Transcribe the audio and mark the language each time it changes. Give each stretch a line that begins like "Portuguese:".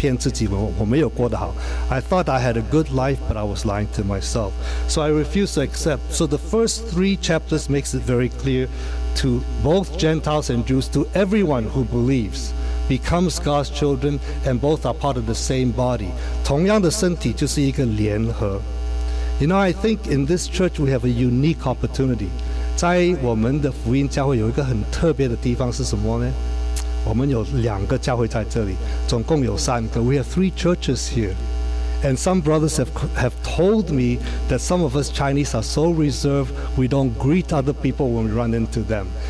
Chinese: 但是我不愿意接受，我不愿意回应，我觉得对我没有相干，我过得很好。其实我是骗自己，我没有过得好。
English: I thought I had a good life, but I was lying to myself. So I refuse to accept. So the first three chapters makes it very clear to both Gentiles and Jews, to everyone who believes, becomes God's children, and both are part of the same body.
Chinese: 同样的身体就是一个联合。
English: You know, I think in this church we have a unique opportunity.
Chinese: 在我们的福音教会有一个很特别的地方是什么呢？我们有两个教会在这里，总共有三个。
English: We have three churches here. And some brothers have told me that some of us Chinese are so reserved, we don't greet other people when we run into them.